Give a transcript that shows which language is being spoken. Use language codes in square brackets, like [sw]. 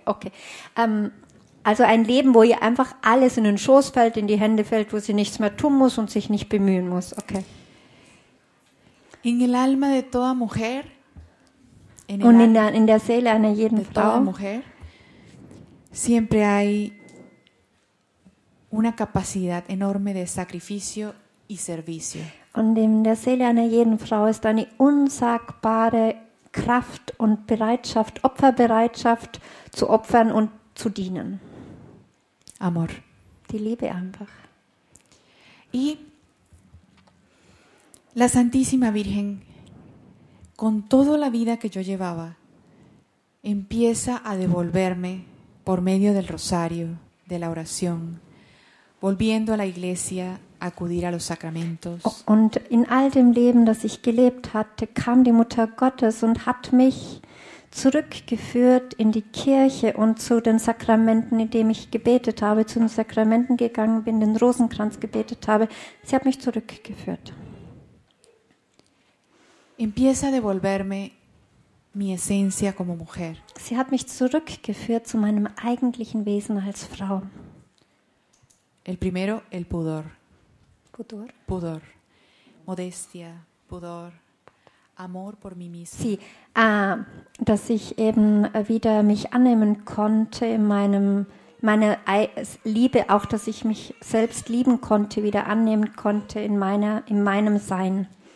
[de] Okay. Also ein Leben, wo ihr einfach alles in den Schoß fällt, in die Hände fällt, wo sie nichts mehr tun muss und sich nicht bemühen muss. Okay. [es] En el alma de toda mujer, [de] und in der Seele einer jeden [es] de toda [de] Frau, [es] mujer, siempre hay una capacidad enorme de sacrificio y servicio. [de] Und in der Seele einer jeden Frau ist eine unsagbare Kraft und Bereitschaft, Opferbereitschaft zu opfern und zu dienen. [es] Amor. [de] Die Liebe einfach. [es] Y la Santísima Virgen, con toda la vida que yo llevaba, empieza a devolverme por medio del rosario, de la oración, volviendo a la iglesia, a acudir a los sacramentos. [de] Und in all dem Leben, das ich gelebt hatte, kam die Mutter Gottes und hat mich zurückgeführt in die Kirche und zu den Sakramenten, indem ich gebetet habe, zu den Sakramenten gegangen bin, den Rosenkranz gebetet habe. Sie hat mich zurückgeführt. [es] Empieza a devolverme mi esencia como mujer. [de] Sie hat mich zurückgeführt zu meinem eigentlichen Wesen als Frau. [es] El primero, el pudor. Pudor. Pudor. Modestia, pudor. Amor por mí misma. [de] Sí, dass ich eben wieder mich annehmen konnte, meiner Liebe, auch dass ich mich selbst lieben konnte, wieder annehmen konnte in meinem Sein.